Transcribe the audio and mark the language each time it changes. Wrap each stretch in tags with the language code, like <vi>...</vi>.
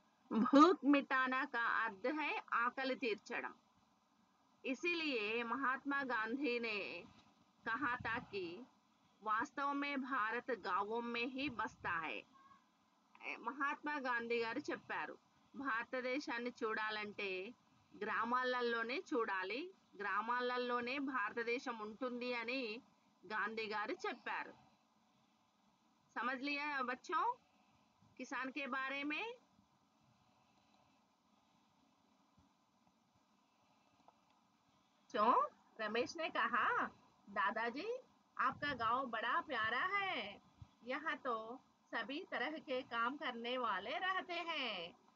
<hi>भूख मिटाना का अर्थ है</hi> <te>आकल तीर्चड़म।</te> <hi>इसीलिए महात्मा गांधी ने कहा था कि वास्तव में भारत गांवों में ही बसता है। महात्मा गांधी गारु चेप्पारु,</hi> <te>भारतदेशाన్ని చూడాలంటే గ్రామాలల్లోనే చూడాలి, గ్రామాలల్లోనే భారతదేశం ఉంటుంది అని గాంధీ గారు చెప్పారు।</te> <hi>समझ लिया बच्चों किसान के बारे में। रमेश ने कहा, दादाजी आपका गांव बड़ा प्यारा है, यहाँ तो सभी तरह के काम करने वाले रहते हैं।</hi>